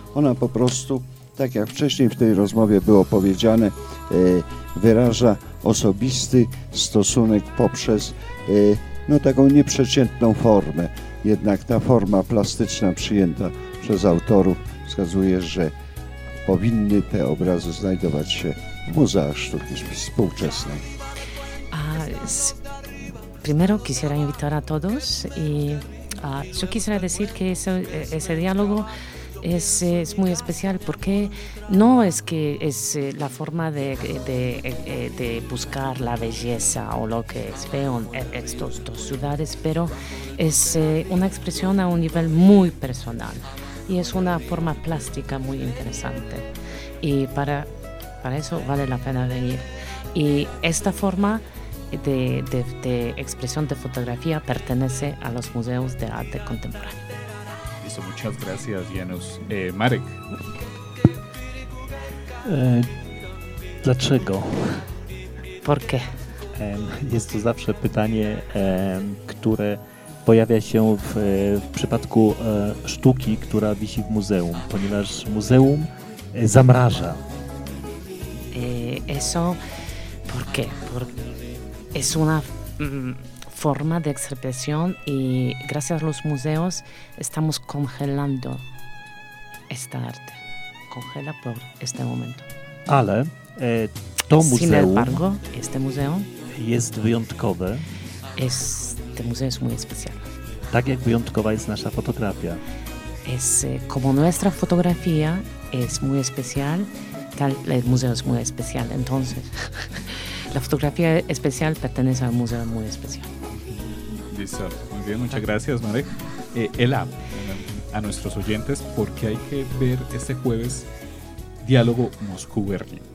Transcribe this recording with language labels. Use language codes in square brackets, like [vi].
[pl] Ona po prostu, tak jak wcześniej w tej rozmowie było powiedziane, wyraża osobisty stosunek poprzez taką nieprzeciętną formę. Jednak ta forma plastyczna przyjęta przez autorów wskazuje, że powinny te obrazy znajdować się w muzeach sztuki współczesnej. [es] Primero quisiera invitar a todos y yo quisiera decir que ese diálogo es muy especial porque no es que es la forma de buscar la belleza o lo que es feo en estas dos ciudades, pero es una expresión a un nivel muy personal y es una forma plástica muy interesante y para eso vale la pena venir. Y esta forma de expresión de fotografía pertenece a los museos de arte contemporáneo. Listo, muchas gracias, Janusz. Marek. [pl] Dlaczego? [es] Por qué? [pl] Jest to zawsze pytanie, które pojawia się w przypadku sztuki, która wisi w muzeum, ponieważ muzeum zamraża. [es] Eso, por qué? Es una forma de expresión y gracias a los museos estamos congelando esta arte. Congela por este momento. [pl] Ale to [es] sin [pl] muzeum. [es] Sin embargo, este museo [pl] jest wyjątkowe. [es] Este museo es muy especial. [pl] Tak jak wyjątkowa jest nasza fotografia. [es] Es como nuestra fotografía es muy especial. capital, el museo es muy especial. Entonces, la fotografía especial pertenece a un museo muy especial. Listo. Muy bien, muchas gracias, Marek. Ela, a nuestros oyentes, ¿por qué hay que ver este jueves Diálogo Moscú-Berlín?